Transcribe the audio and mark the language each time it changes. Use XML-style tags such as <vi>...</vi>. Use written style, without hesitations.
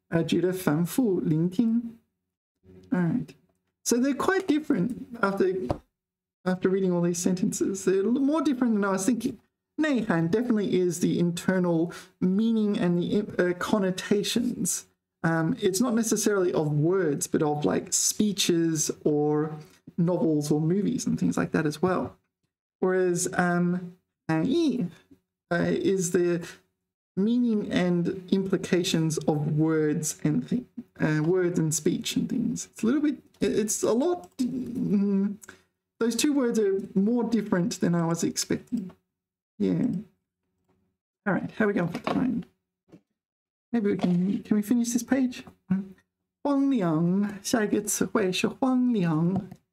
<zh>这首歌的歌词有很深的内涵，值得反复聆听.</zh> <en>All right. So they're quite different after reading all these sentences. They're a little more different than I was thinking. 内涵 definitely is the internal meaning and the connotations. It's not necessarily of words, but of like speeches or novels or movies and things like that as well. Whereas 含义 is the meaning and implications of words and words and speech and things. It's a little bit, it's a lot, those two words are more different than I was expecting. Yeah. All right, how are we going for time? Maybe we can we finish this page?</en> <zh>荒凉, 下一个词汇是荒凉.</zh>